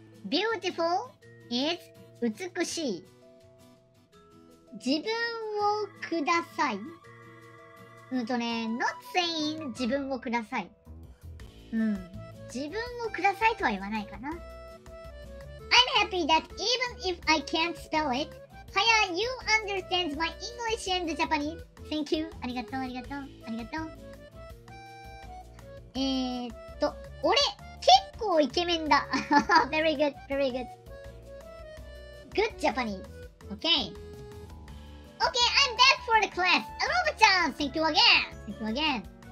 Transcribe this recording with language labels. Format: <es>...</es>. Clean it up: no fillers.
<en>Beautiful is</en> <ja>美しい。自分をください。</ja> <en>not saying</en> <ja>自分をください。自分をくださいとは言わないかな。</ja> <en>I'm happy that even if I can't spell it, Haya, you understand my English and Japanese. Thank you.</en> <ja>ありがとう、ありがとう、ありがとう。俺結構イケメンだ。</ja> <en>very good, very good. Good Japanese. Okay. Okay, I'm back for the class. Aroba-chan, thank you again. Thank you again.</en>